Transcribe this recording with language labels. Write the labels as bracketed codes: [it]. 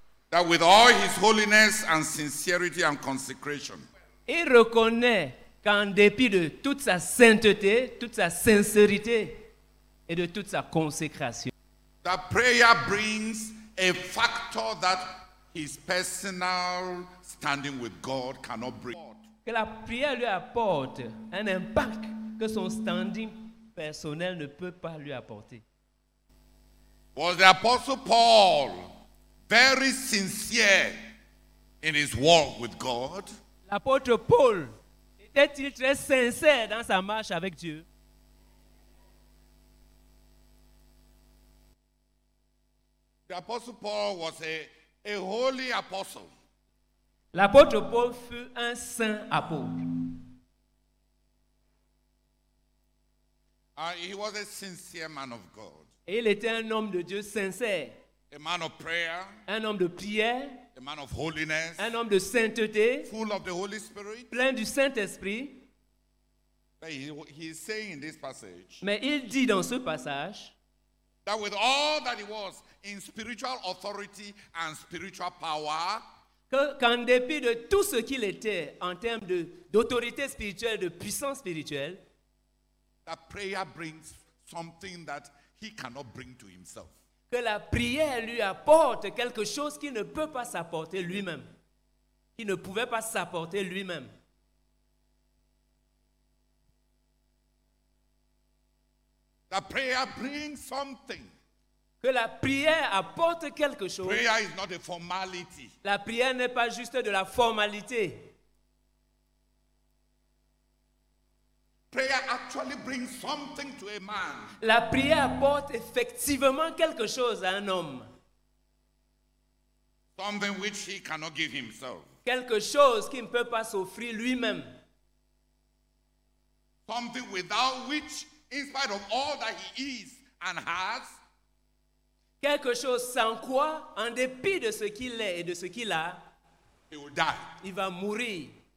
[en] That with all his holiness and sincerity and consecration. [fr] Il reconnaît qu'en dépit de toute sa sainteté, toute sa sincérité et de toute sa consécration. [en] That prayer brings a factor that his personal standing with God cannot bring. [fr] Que la prière lui apporte un impact que son standing personnel ne peut pas lui apporter. [en] Was the Apostle Paul very sincere in his walk with God? [fr] L'apôtre Paul était-il très sincère dans sa marche avec Dieu? [en] The Apostle Paul was a holy apostle. [fr] L'apôtre Paul fut un saint apôtre. [en] He was a sincere man of God. [fr] Et il était un homme de Dieu sincère. [en] A man of prayer. [fr] Un homme de prière. [en] A man of holiness. [fr] Un homme de sainteté. [en] Full of the Holy Spirit. [fr] Plein du Saint-Esprit. [en] But he is saying in this passage. [fr] Mais il dit dans ce passage. [en] That with all that he was in spiritual authority and spiritual power. [fr] Qu'en dépit de tout ce qu'il était en termes d'autorité spirituelle, de puissance spirituelle. [en] That prayer brings something that he cannot bring to himself. [fr] Que la prière lui apporte quelque chose qu'il ne peut pas s'apporter lui-même. Qu'il ne pouvait pas s'apporter lui-même. [en] That prayer brings something. [fr] Que la prière apporte quelque chose. [en] Prayer is not a formality. [fr] La prière n'est pas juste de la formalité. [en] Prayer actually brings something to a man. [fr] La prière apporte effectivement quelque chose à un homme. [en] Something which he cannot give himself. [fr] Quelque chose qu'il ne peut pas s'offrir lui-même. [en] Something without which, in spite of all that he is and has, [fr] quelque chose sans quoi, en dépit de ce qu'il est et de ce qu'il a, [en] he will die. [fr] Il va mourir.